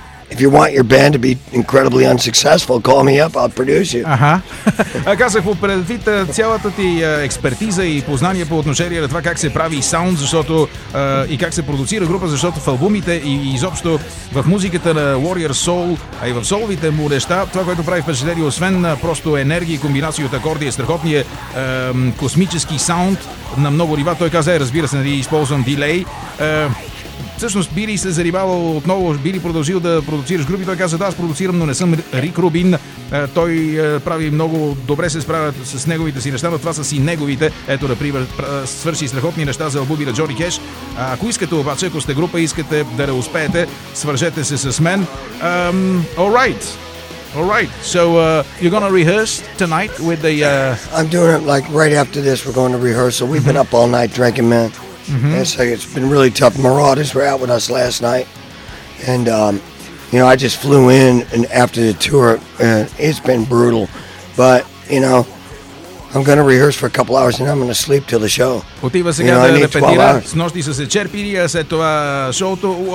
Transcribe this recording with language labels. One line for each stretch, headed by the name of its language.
English: If you want your band to be incredibly unsuccessful, call me up, I'll produce you.
Bulgarian: Казах по предвид цялата ти експертиза и познание по отношение на това как се прави саунд, защото и как се продуцира група, защото в албумите и изобщо в музиката на Warrior Soul, а и в соловите му неща, това, което прави впечатление, освен просто енергия и комбинация от акорди, е страхотния космически саунд на много нива. Той каза, разбира се, нали, използвам дилей. Всъщност, би ли се занимавал отново, би ли продължил да продуцираш групи? Той каза, да, аз продуцирам, но не съм Рик Рубин. Той прави много добре, се справя с неговите си неща, но това са си неговите. Ето, например, свърши страхотни неща за албуми на Джони Кеш. Ако искате обаче, ако сте група, искате да не успеете, свържете се с мен.
English: All right. So, you're going to rehearse tonight with the... I'm doing it like right after this, we're going to rehearsal. We've been up all night drinking, man. It's been really tough. Marauders were out with us last night, and you know, I just flew in and after the tour, and it's been brutal. But you know, I'm going to rehearse for a couple hours and I'm going to sleep till the show.
Bulgarian: Потива сега да репетира. Снощи са се черпили, а след това шоуто.